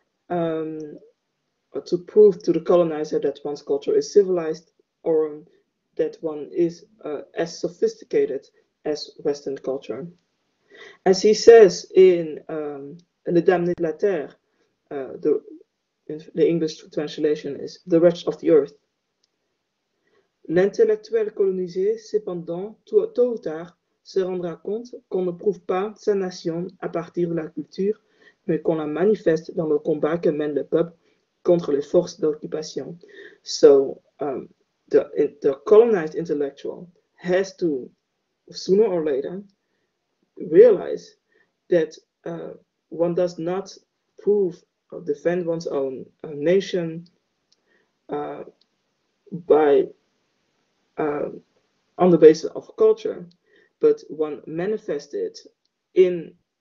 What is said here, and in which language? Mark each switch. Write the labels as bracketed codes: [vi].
[en] To prove to the colonizer that one's culture is civilized or that one is as sophisticated as Western culture. As he says in Les Dames de la Terre, the English translation is The Wretch of the Earth. [fr] L'intellectuel colonisé, cependant, tôt ou tard, se rendra compte qu'on ne prouve pas sa nation à partir de la culture, mais qu'on la manifeste dans le combat que mène le peuple contre les forces d'occupation. [en] So, the colonized intellectual has to, sooner or later, realize that one does not prove or defend one's own nation by on the basis of culture, but one manifests it in